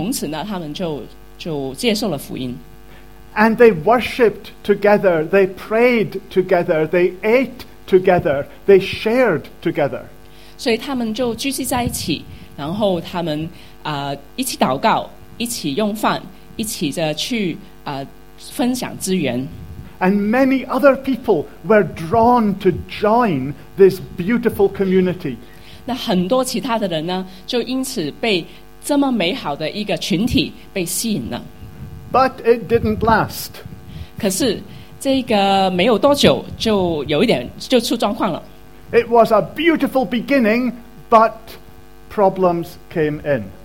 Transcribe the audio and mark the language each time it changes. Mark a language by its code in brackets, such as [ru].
[zh] 所以在五旬节那一天，很多的人能够听见这个福音，然后从此呢，他们就接受了福音。 [en] And they worshipped together, they prayed together, they ate together, they shared together. [zh] 所以他们就聚集在一起，然后他们一起祷告，一起用饭，一起着去分享资源。 [en] And many other people were drawn to join this beautiful community. [zh] 那很多其他的人呢，就因此被这么美好的一个群体被吸引了。 [en] But it didn't last. [zh] 可是这个没有多久就有一点就出状况了。 [en] It was a beautiful beginning, but problems came in.